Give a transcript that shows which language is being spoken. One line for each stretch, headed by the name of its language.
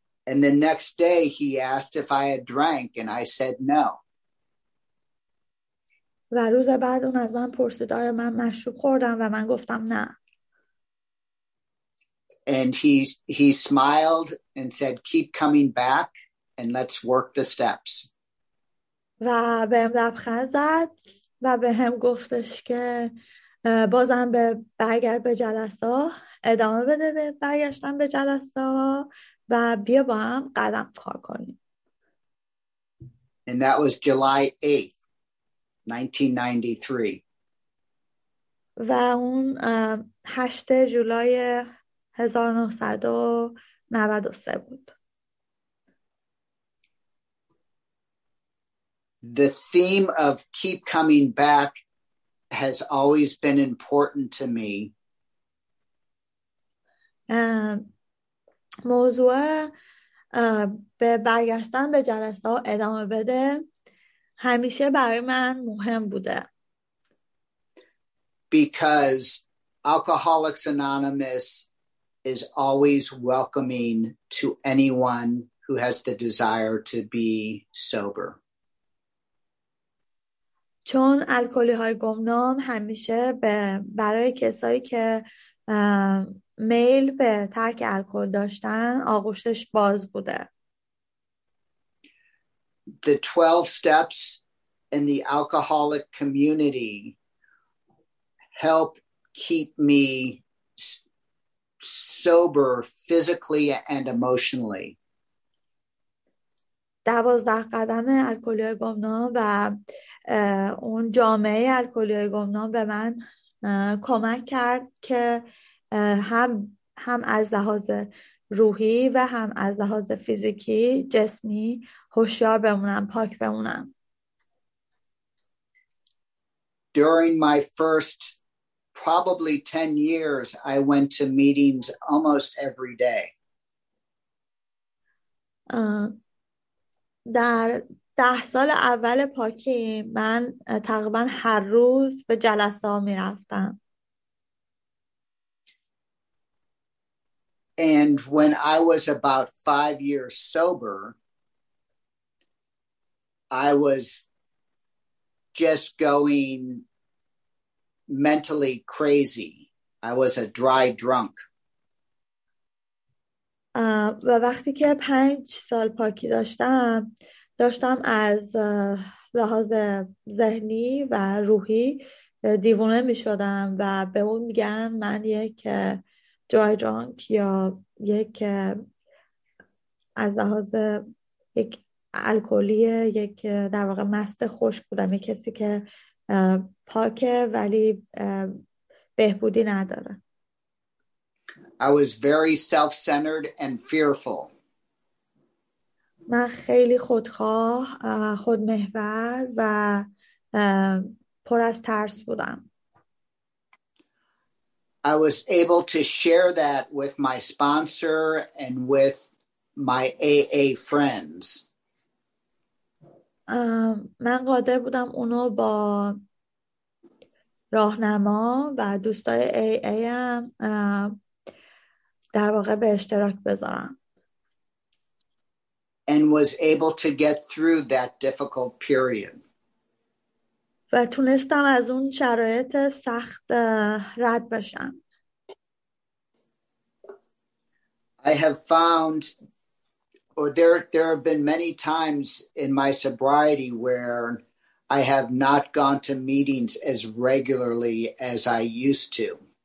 English: And the next day he asked if I had drank and I said no.
Persian: و روز بعد اون از من پرسید آیا من مشروب خوردم و من گفتم نه.
English: And he smiled and said, keep coming back and let's work the steps.
Persian: و بهم لبخند زد و بهم گفتش که بازم به برگرد به جلسه، ادامه بده به برگشتن به جلسه و بیا با هم قدم کار کنیم.
English: And that was July 8th, 1993.
Persian: و اون 8 جولای 1993 بود.
English: The theme of keep coming back has always been important to me.
Persian: موضوع به برگشتن به جلسه ادامه بده همیشه برای من مهم بوده.
English: Because Alcoholics Anonymous is always welcoming to anyone who has the desire to be sober.
Persian: چون الکلی های گمنام همیشه به برای کسایی که میل به ترک الکل داشتن آغوشش باز بوده.
English: The 12 steps in the alcoholic community help keep me sober physically and emotionally.
Persian: 12 قدم الکلی های گمنام و اون جامعه الکلی های گمنام به من کمک کرد که هم از لحاظ روحی و هم از لحاظ فیزیکی جسمی هوشیار بمونم، پاک بمونم.
English: During my first probably 10 years I went to meetings almost every day.
Persian: در 10 سال اول پاکی من تقریبا هر روز به جلسه ها می رفتم.
English: And when I was about 5 years sober, I was just going mentally crazy. I was a dry drunk.
Persian: و وقتی که 5 سال پاکی داشتم از لحاظ ذهنی و روحی دیوونه می شدم و به اون میگن من یک دری درانک یا یک از لحاظ یک الکلی یک در واقع مست خوش بودم، یک کسی که پاکه ولی بهبودی نداره.
English: I was very self-centered and fearful.
Persian: من خیلی خودخواه، خودمحور و پر از ترس بودم.
English: I was able to share that with my sponsor and with my AA friends.
Persian: من قادر بودم اونو با راهنما و دوستای AA ام در واقع به اشتراک بذارم.
English: And was able to get through that difficult period.
Persian: و تونستم از اون شرایط سخت رد بشم.
English: I have found, or there have been many times in my sobriety where I have not gone to meetings as regularly as I used to.